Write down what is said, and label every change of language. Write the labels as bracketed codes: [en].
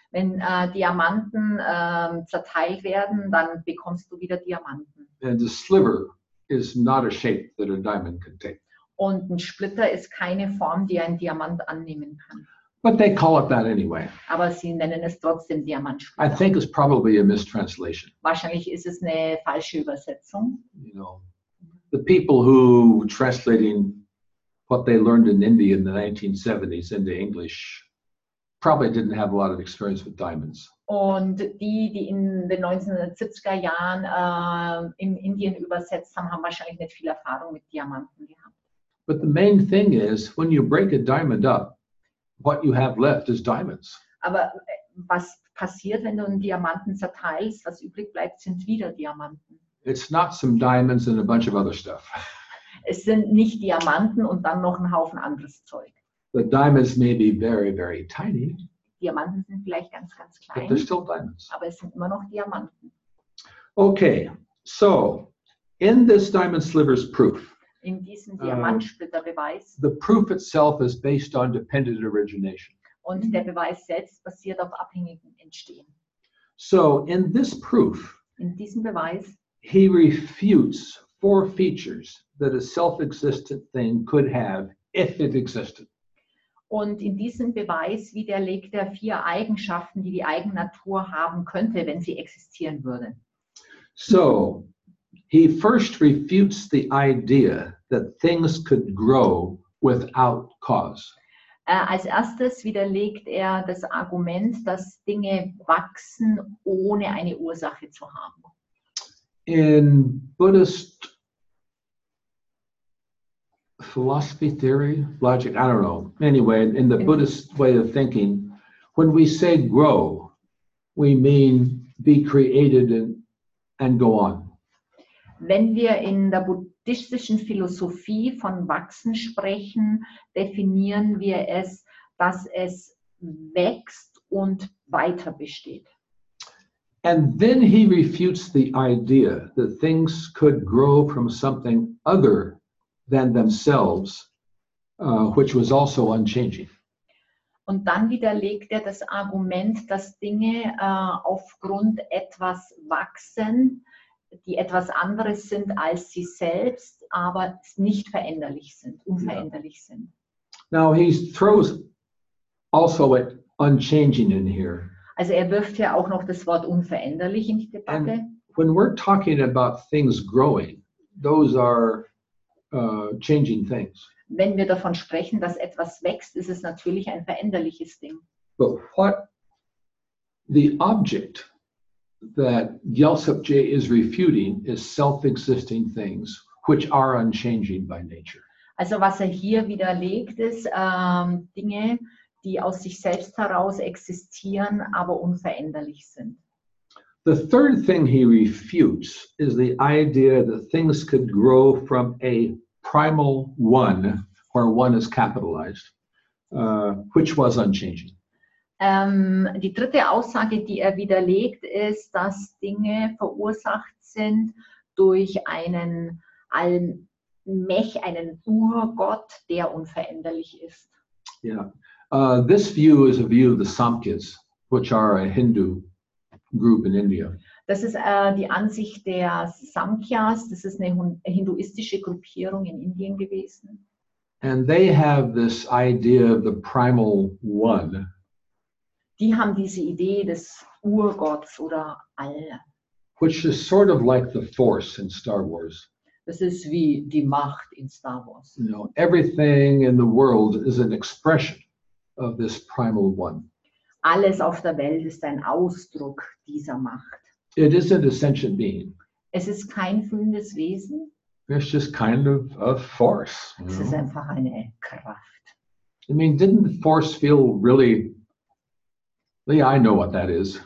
[de] Wenn Diamanten zerteilt werden, dann bekommst du wieder Diamanten. [en] And the sliver is not a shape that a diamond can take. [de] Und ein Splitter ist keine Form, die ein Diamant annehmen kann. [en] But they call it that anyway. [de] Aber sie nennen es trotzdem Diamantsplitter. [en] I think it's probably a mistranslation. [de] Wahrscheinlich ist es eine falsche Übersetzung. [en] You know, the people who translating what they learned in India in the 1970s into English probably didn't have a lot of experience with diamonds. [de] Und die, die in den 1970er Jahren in Indien übersetzt haben, haben wahrscheinlich nicht viel Erfahrung mit Diamanten gehabt. [en] But the main thing is, when you break a diamond up, what you have left is diamonds. [de] Aber was passiert, wenn du einen Diamanten zerteilst? Was übrig bleibt, sind wieder Diamanten. [en] It's not some diamonds and a bunch of other stuff. [de] Es sind nicht Diamanten und dann noch ein Haufen anderes Zeug. [en] The diamonds may be very, very tiny. [de] Diamanten sind vielleicht ganz, ganz klein. [en] But they're still diamonds. [de] Aber es sind immer noch Diamanten. [en] Okay, so in this diamond slivers proof. [de] In diesem Diamantsplitterbeweis. [en] The proof itself is based on dependent origination. [de] Und der Beweis selbst basiert auf abhängigem Entstehen. [en] So in this proof, [de] in diesem Beweis, [en] he refutes four features that a self-existent thing could have if it existed. [de] Und in diesem Beweis widerlegt er vier Eigenschaften, die Eigennatur haben könnte, wenn sie existieren würde. [en] So he first refutes the idea that things could grow without cause. [de] Als erstes widerlegt er das Argument, dass Dinge wachsen, ohne eine Ursache zu haben. [en] In Buddhist philosophy theory, logic, I don't know. Anyway, in the Buddhist way of thinking, when we say grow, we mean be created and go on. [de] Wenn wir in der buddhistischen Philosophie von Wachsen sprechen, definieren wir es, dass es wächst und weiter besteht. [en] And then he refutes the idea that things could grow from something other than themselves, which was also unchanging. [de] Und dann widerlegt er das Argument, dass Dinge aufgrund etwas wachsen, die etwas anderes sind als sie selbst, aber nicht veränderlich sind, unveränderlich sind. [en] Now he throws also it unchanging in here. [de] Also er wirft ja auch noch das Wort unveränderlich in die Debatte. [en] And when we're talking about things growing, those are changing things. [de] Wenn wir davon sprechen, dass etwas wächst, ist es natürlich ein veränderliches Ding. [en] But what the object that Gyaltsepche is refuting is self-existing things which are unchanging by nature. [de] Also was er hier widerlegt ist Dinge, die aus sich selbst heraus existieren, aber unveränderlich sind. [en] The third thing he refutes is the idea that things could grow from a primal one, where one is capitalized, which was unchanging. [de] Die dritte Aussage, die er widerlegt, ist, dass Dinge verursacht sind durch einen einen Urgott, der unveränderlich ist. Ja, [en] yeah. This view is a view of the Samkhyas, which are a Hindu group in India. [de] Das ist die Ansicht der Samkhyas. Das ist eine hinduistische Gruppierung in Indien gewesen. [en] And they have this idea of the primal one. [de] Die haben diese Idee des Urgotts oder All. [en] Which is sort of like the Force in Star Wars. [de] Das ist wie die Macht in Star Wars. [en] You know, everything in the world is an expression of this primal one. [de] Alles auf der Welt ist ein Ausdruck dieser Macht. [en] It is an essential being. [de] Es ist kein fühlendes Wesen. [en] It's just kind of a force. [de] Es ist einfach eine Kraft. [en] I mean, didn't force feel really... Yeah, I know what that is.